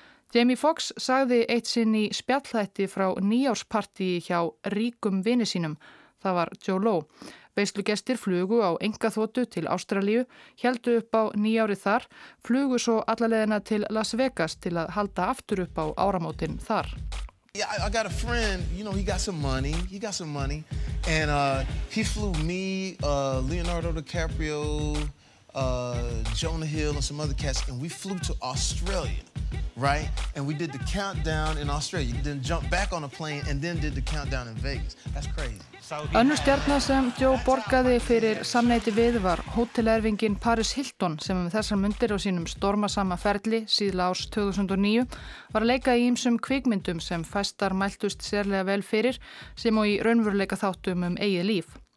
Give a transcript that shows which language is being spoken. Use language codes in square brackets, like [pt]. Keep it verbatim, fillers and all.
[is] Jamie Foxx sagði eitt sinn í spjallhætti frá nýjárspartíi hjá ríkum vini sínum. Það var Jolo. Veislugestir flugu á engaþotu til Ástralíu, héldu upp á nýjári þar, flugu svo allalegina til Las Vegas til að halda aftur upp á áramótin þar. [en] Yeah, I, I got a friend, you know, he got some money, he got some money, and uh, he flew me, uh, Leonardo DiCaprio, uh, Jonah Hill and some other cats, and we flew to Australia, right? And we did the countdown in Australia, then jumped back on a plane and then did the countdown in Vegas. That's crazy. [is] Önnur stjarna sem Joe borgaði fyrir samneiti við var hótelerfingin Paris Hilton sem um þessar mundir á sínum stormasama ferli síðla árs tvö þúsund og níu var að leika í ýmsum kvikmyndum sem fæstar mæltust sérlega vel fyrir sem og í raunveruleika þáttum um eigið líf.